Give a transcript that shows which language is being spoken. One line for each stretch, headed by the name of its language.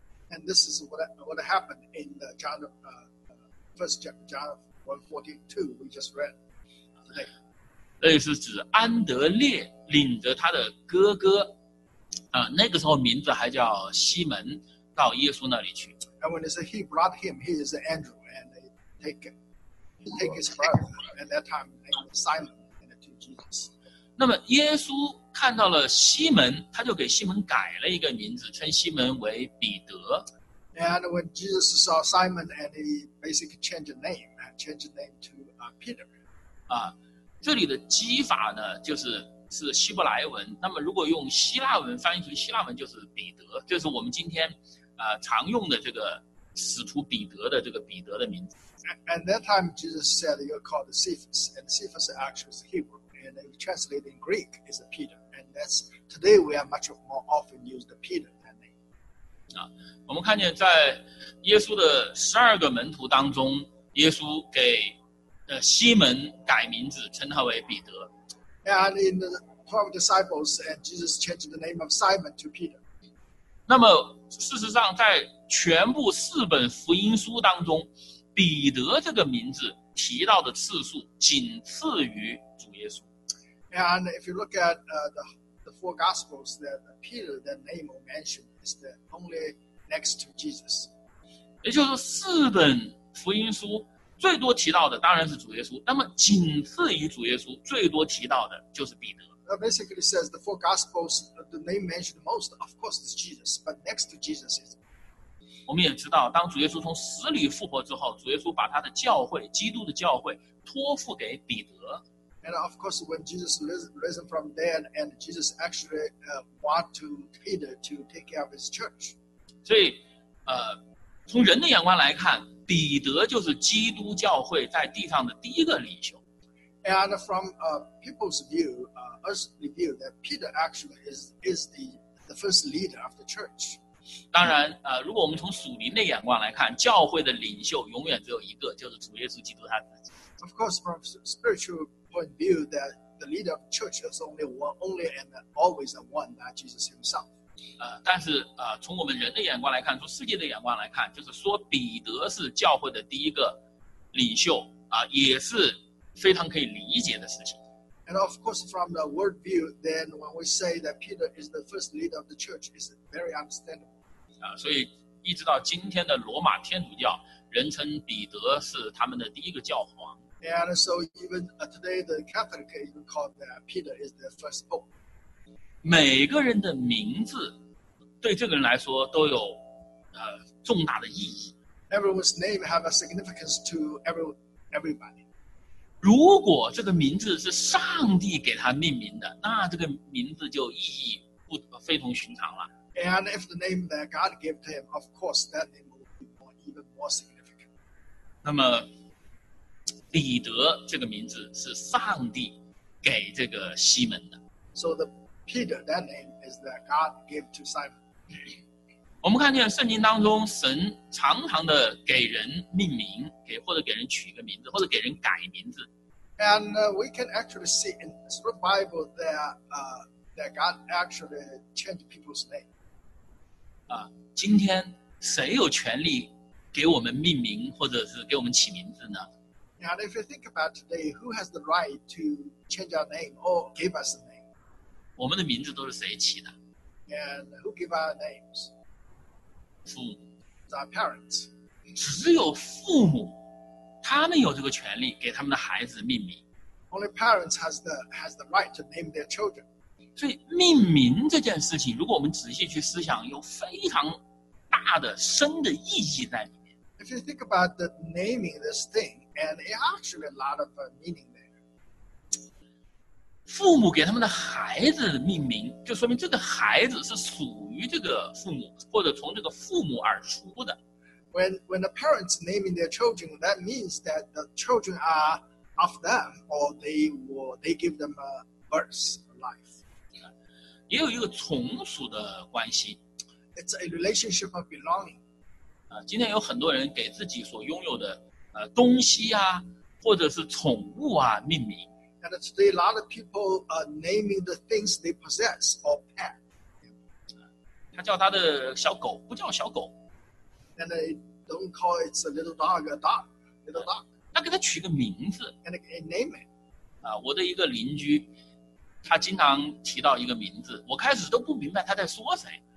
English: And this is what happened in the John, first chapter, John 1:42 we just read today.
Chinese: 那是指安德烈领着他的哥哥，那个时候名字还叫西门，到耶稣那里去。
English: And when they say he brought him, he is Andrew, and they take his brother at that time, named Simon, and to Jesus.
Chinese: 那么耶稣看到了西门，他就给西门改了一个名字，称西门为彼得。
English: And when Jesus saw Simon, and he basically changed the name to Peter.
Chinese: 这里的基法呢，就是。是希伯来文，那么如果用希腊文翻译成希腊文就是彼得，就是我们今天常用的这个使徒彼得的这个彼得的名字。
English: And that time Jesus said you're called Cephas, and Cephas actually is Hebrew, and it translated in Greek is Peter, and that's today we are much more often used the Peter than name.
Chinese: 我们看见在耶稣的十二个门徒当中，耶稣给西门改名字，称他为彼得。
English: And in the 12 disciples, and Jesus changed the name of Simon to Peter.
Chinese: 那么事实上在全部四本福音书当中，彼得这个名字提到的次数仅次于主耶稣。
English: And if you look at the four gospels, that Peter, the name of mention, is the only next to Jesus.
Chinese: 也就是四本福音书最多提到的当然是主耶稣，那么仅次于主耶稣最多提到的就是彼得。
English: That basically says the four gospels, the name mentioned most, of course, is Jesus, but next to Jesus is.
Chinese: 我们也知道，当主耶稣从死里复活之后，主耶稣把他的教会，基督的教会，托付给彼得。
English: And of course, when Jesus risen from dead, and Jesus actually brought to Peter to take care of his church.
Chinese: 所以，从人的眼光来看。彼得就是基督教会在地上的第一个领袖。
English: And from people's view, earthly view, that Peter actually is the first leader of the church.
Chinese: 当然，如果我们从属灵的眼光来看，教会的领袖永远只有一个，就是主耶稣基督他自己。
English: Of course, from spiritual point of view, that the leader of the church is only one, only and always the one, that Jesus himself.
Chinese: 但是从我们人的眼光来看，从世界的眼光来看，就是说彼得是教会的第一个领袖也是非常可以理解的事情。
English: And of course, from the world view, then when we say that Peter is the first leader of the church, it's very understandable.
Chinese: 所以一直到今天的罗马天主教，人称彼得是他们的第一个教皇。
English: And so even today, the Catholic even called that Peter is the first pope.
Chinese: 每个人的名字对这个人来说都有重大的意义。
English: Everyone's name have a significance to everybody.
Chinese: 如果这个名字是上帝给他命名的，那这个名字就意义不非同寻常了。
English: And if the name that God gave to him, of course, that name will be more, even more significant.
Chinese: 那么，彼得这个名字是上帝给这个西门的。
English: So the Peter, that name is that God gave to Simon.
Chinese: 我们看见圣经当中神常常的给人命名给或者给人取一个名字或者给人改名字。
English: And we can actually see in the Bible that, that God actually changed people's name.
Chinese: 今天谁有权利给我们命名或者是给我们起名字呢？
English: And if you think about today, who has the right to change our name or give us a name?
Chinese: 我们的名字都是谁起的？
English: And who give our names?
Chinese: 父母
English: our parents.
Chinese: 只有父母他们有这个权利给他们的孩子命名。
English: Only parents has the right to name their children.
Chinese: 所以命名这件事情如果我们仔细去思想有非常大的深的意义在里面。
English: If you think about the naming this thing, and it actually a lot of meaning there.
Chinese: 父母给他们的孩子的命名就说明这个孩子是属于这个父母或者从这个父母而出的。
English: When the parents naming their children, that means that the children are of them or they give them a birth, a life.
Chinese: 也有一个从属的关系。
English: It's a relationship of belonging.
Chinese: 今天有很多人给自己所拥有的东西啊或者是宠物啊命名。
English: And today a lot of people are naming the things they possess or pet.
Chinese: 他叫他的小狗不叫小狗
English: and they don't call it a little dog a dog little dog
Chinese: 他给他取个名字
English: and they name it
Chinese: 我的一个邻居他经常提到一个名字我开始都不明白他在说谁